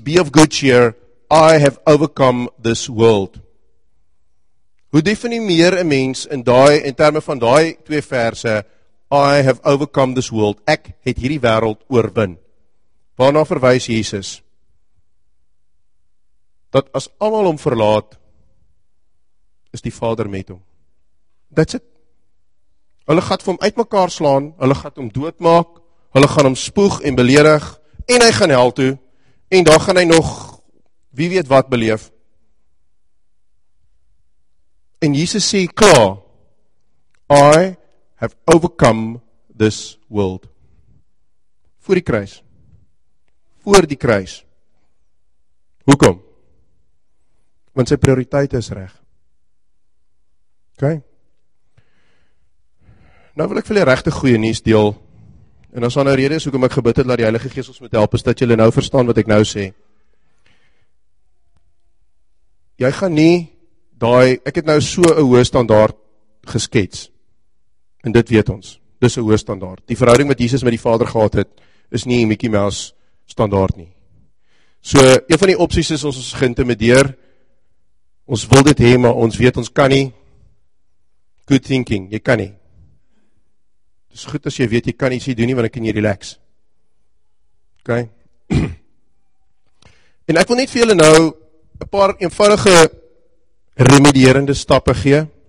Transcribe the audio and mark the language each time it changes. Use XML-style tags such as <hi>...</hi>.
<en>Be of good cheer, I have overcome this world.</en> <af>Hoe definieer 'n mens in daai in terme van daai twee verse,</af> <en>I have overcome this world,</en> <af>ek het hierdie wêreld oorwin. Waarna verwys Jesus? Dat as almal hom verlaat, is die Vader met hom.</af> <en>That's it.</en> <af>Hulle gaan hom uitmekaar slaan, hulle gaan hom doodmaak, hulle gaan hom spoeg en beledig, en hy gaan hel toe, en daar gaan hy nog, wie weet wat beleef. En Jesus sê, klaar,</af> <en>I have overcome this world.</en> <af>Voor die kruis. Voor die kruis. Hoekom? Want sy prioriteit is reg. Ok. Nou wil ek vir julle regte goeie nuus deel. En as daar nou rede is hoekom ek gebid het dat die Heilige Gees ons moet help, is dat julle nou verstaan wat ek nou sê. Jy gaan nie daai, ek het nou so 'n hoë standaard geskets. En dit weet ons. Dis 'n hoë standaard. Die verhouding wat Jesus met die Vader gehad het, is nie 'n Mickey Mouse standaard nie. So, een van die opsies is ons is geïntimideer. Ons wil dit hê, maar ons weet ons kan nie.</af> <en>Good thinking,</en> <af>jy kan nie. Het is goed as jy weet, jy kan nie sê doen nie, want ek kan jy relax. Ok? En ek wil net vir julle nou een paar eenvoudige remedierende stappe gee.</af>